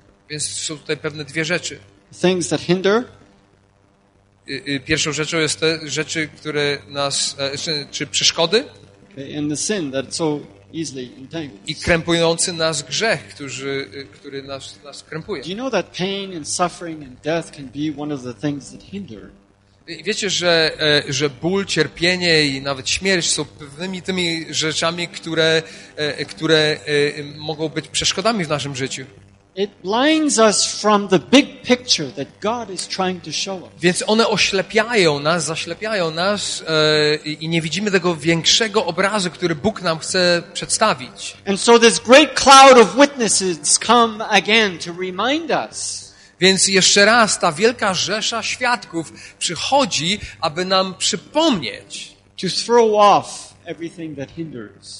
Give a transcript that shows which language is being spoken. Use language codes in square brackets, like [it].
[pl] Więc są tutaj pewne dwie rzeczy. [en] Things that hinder. [pl] Pierwszą rzeczą jest te rzeczy, które nas czy przeszkody. [en] Okay, and the sin that so easily entangles. [pl] I krępujący nas grzech, który nas krępuje. [en] Do you know that pain and suffering and death can be one of the things that hinder? [pl] Wiecie, że ból, cierpienie i nawet śmierć są pewnymi tymi rzeczami, które mogą być przeszkodami w naszym życiu. [en] It blinds us from the big picture that God is trying to show us. [pl] Więc one oślepiają nas, zaślepiają nas i nie widzimy tego większego obrazu, który Bóg nam chce przedstawić. [en] And so this great cloud of witnesses come again to remind us. [pl] Więc jeszcze raz ta wielka rzesza świadków przychodzi, aby nam przypomnieć, [en] to throw off everything that hinders.